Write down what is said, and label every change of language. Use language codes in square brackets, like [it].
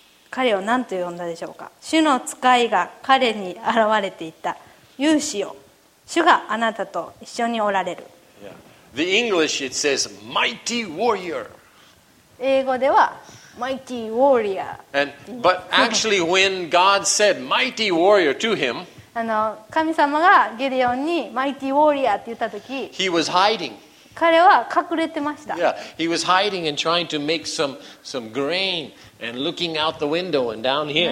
[ja] 彼を何と呼んだでしょうか。主の使いが彼に現れていた。勇士よ、主があなたと一緒におられる。 [en] The English it says mighty warrior. [ja] 英語では [en] mighty warrior. And but actually when God said mighty warrior to him, [ja] 神様がゲデオンに [en] mighty warrior [ja] って言った時、 [en] he was hiding. [ja] 彼は隠れてました。 [en] Yeah, he was hiding and trying to make some grain and looking out the window and down here.